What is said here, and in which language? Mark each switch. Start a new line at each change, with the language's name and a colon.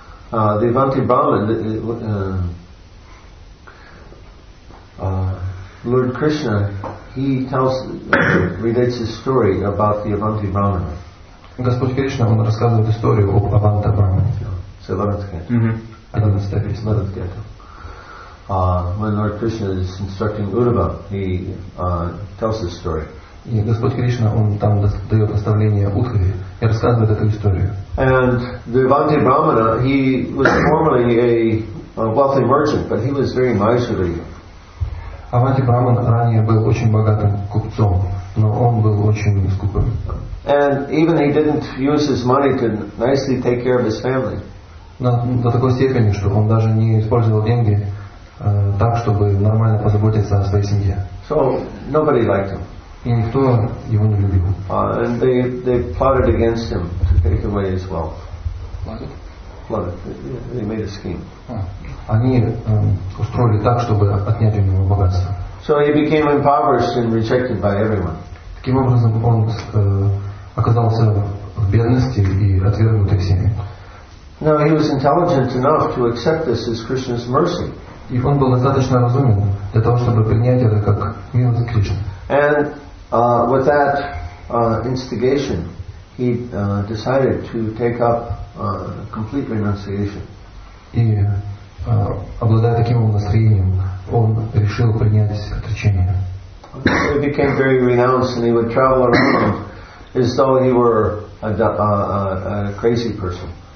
English: The Avanti Brahman, Lord Krishna, he tells, relates his story about the Avanti Brahman.
Russian: Господь Кришна, он рассказывает историю об Аванта Брахмане.
English: So, Lord Krishna. When Lord Krishna is instructing Uddhava, he tells this story.
Russian: И Господь Кришна, он там дает наставление Удхаве и рассказывает эту историю.
English: And the Avanti Brahmana, he was formerly a wealthy merchant, but he was very miserly.
Russian: Аванти Брахман ранее был очень богатым купцом, но он был очень скупым.
English: And even he didn't use his money to nicely take care of his family.
Russian: До такой степени, что он даже не использовал деньги так, чтобы нормально позаботиться о своей семье.
English: So nobody liked him.
Russian: И никто его не любил.
English: And they plotted against him to take away his wealth. They made a scheme.
Russian: Они устроили так, чтобы отнять у него богатство.
English: So he became impoverished and rejected by everyone.
Russian: Таким образом, он оказался в бедности и отвергнутый всеми.
English: Now he was intelligent enough to accept this as Krishna's mercy.
Russian: И он был достаточно разумен для того, чтобы принять это как милость Кришны.
English: And with that instigation, he decided to take up complete renunciation.
Russian: И обладая таким настроением, он решил принять отречение.
English: He became very renounced, and he would travel around as though he were a crazy person.